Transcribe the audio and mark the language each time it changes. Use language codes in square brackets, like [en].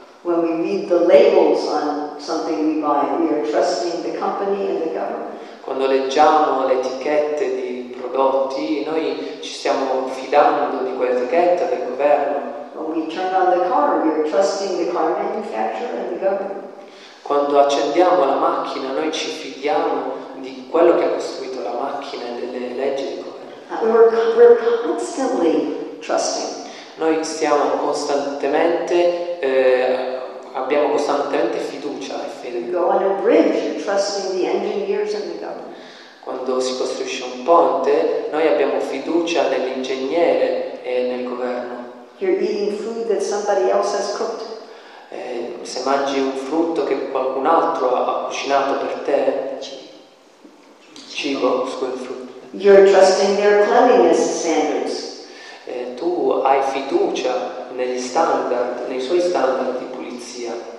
[en] When we read the labels on something we buy, we are trusting the company and the government. [it] Quando leggiamo le etichette di prodotti, noi ci stiamo fidando di quell'etichetta del governo. [en] When we turn on the car, we are trusting the car manufacturer and the government. [it] Quando accendiamo la macchina, noi ci fidiamo di quello che ha costruito la macchina e delle leggi del governo. [en] We're constantly trusting. [it] Noi stiamo costantemente, abbiamo costantemente fiducia e fede. [en] Go on a bridge, you're trusting the engineers and the government. [it] Quando si costruisce un ponte, noi abbiamo fiducia nell'ingegnere e nel governo. [en] You're eating food that somebody else has cooked. [it] Se mangi un frutto che qualcun altro ha cucinato per te, cibo, quel frutto. [en] You're trusting their cleanliness standards. [it] Tu hai fiducia negli standard, nei suoi standard di pulizia.